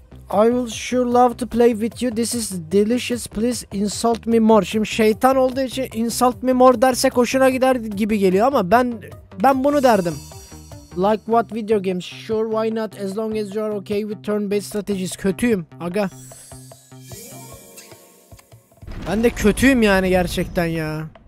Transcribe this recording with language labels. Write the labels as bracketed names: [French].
[English] I will sure love to play with you. This is delicious. Please insult me more. [Turkish] Şimdi şeytan olduğu için [English] insult me more [Turkish] derse hoşuna gider gibi geliyor ama ben bunu derdim. [English] Like what video games? Sure, why not? As long as you are okay with turn-based strategies. [Turkish] Kötüyüm aga. Ben de kötüyüm yani gerçekten ya.